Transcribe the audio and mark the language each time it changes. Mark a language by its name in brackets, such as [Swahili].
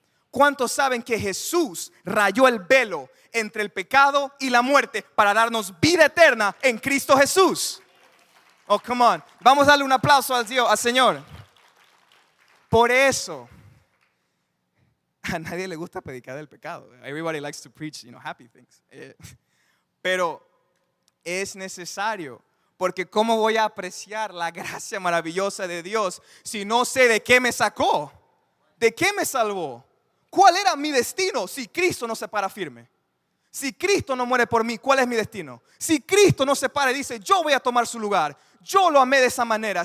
[Spanish] ¿Cuántos saben que Jesús rayó el velo entre el pecado y la muerte para darnos vida eterna en Cristo Jesús? [English] Oh, come on. [Spanish] Vamos a darle un aplauso al Dios, al Señor. Por eso, a nadie le gusta predicar del pecado. [English] Everybody likes to preach, you know, happy things. [Spanish] Pero es necesario, porque ¿cómo voy a apreciar la gracia maravillosa de Dios si no sé de qué me sacó? ¿De qué me salvó? ¿Cuál era mi destino si Cristo no se para firme? Si Cristo no muere por mí, ¿cuál es mi destino? Si Cristo no se para y dice, yo voy a tomar su lugar, yo lo amé de esa manera.